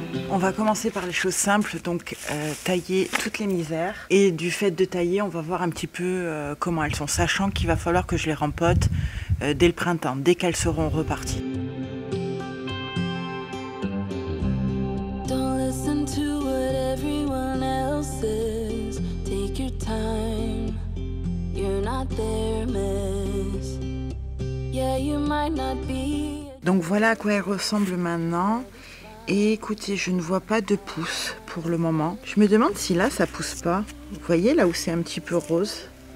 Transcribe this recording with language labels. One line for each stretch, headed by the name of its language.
French: On va commencer par les choses simples, donc tailler toutes les misères. Et du fait de tailler, on va voir un petit peu comment elles sont, sachant qu'il va falloir que je les rempote dès le printemps, dès qu'elles seront reparties.
English: Don't listen to what everyone else says. Take your time, you're not their mess. Yeah, you might not be.
French: Donc voilà à quoi elles ressemblent maintenant. Et écoutez, je ne vois pas de pousse pour le moment. Je me demande si là, ça pousse pas. Vous voyez là où c'est un petit peu rose?